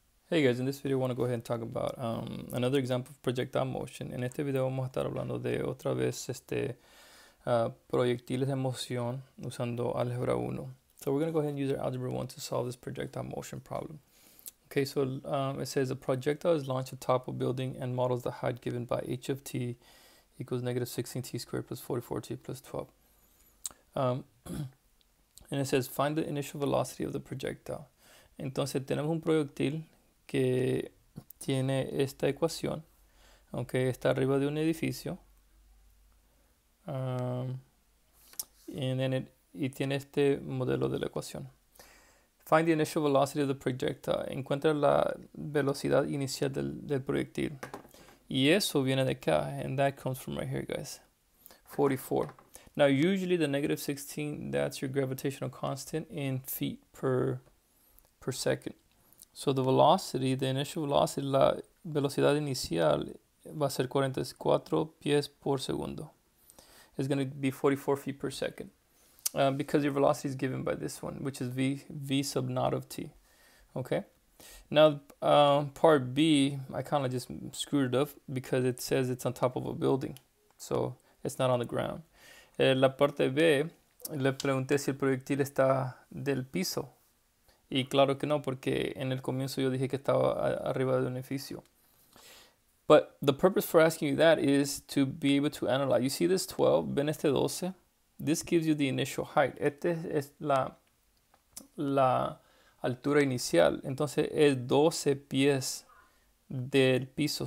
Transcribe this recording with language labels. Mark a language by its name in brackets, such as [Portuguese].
[English] Hey guys, in this video I want to go ahead and talk about another example of projectile motion. [Spanish] En este video vamos a estar hablando de otra vez proyectiles de moción usando álgebra 1. [English] So we're going to go ahead and use our algebra 1 to solve this projectile motion problem. Okay, so it says a projectile is launched atop a building and models the height given by h of t equals negative 16 t squared plus 44 t plus 12. And it says find the initial velocity of the projectile. [Spanish] Entonces tenemos un proyectil que tiene esta ecuación, aunque okay, está arriba de un edificio, y tiene este modelo de la ecuación. [English] Find the initial velocity of the projectile. [Spanish] Encuentra la velocidad inicial del proyectil. Y eso viene de acá, [English] and that comes from right here, guys. 44. Now, usually the negative 16, that's your gravitational constant in feet per second. So the velocity, the initial velocity, [Spanish] la velocidad inicial va a ser 44 pies por segundo. [English] It's going to be 44 feet per second. Because your velocity is given by this one, which is v sub naught of t. Okay? Now, part B, I kind of just screwed it up because it says it's on top of a building. So it's not on the ground. [Spanish] La parte B, le pregunté si el proyectil está del piso. Y claro que no, porque en el comienzo yo dije que estaba arriba de un edificio. [English] But the purpose for asking you that is to be able to analyze. You see this 12, [Spanish] ven este 12. [English] This gives you the initial height. [Spanish] Este es la altura inicial. Entonces es 12 pies del piso.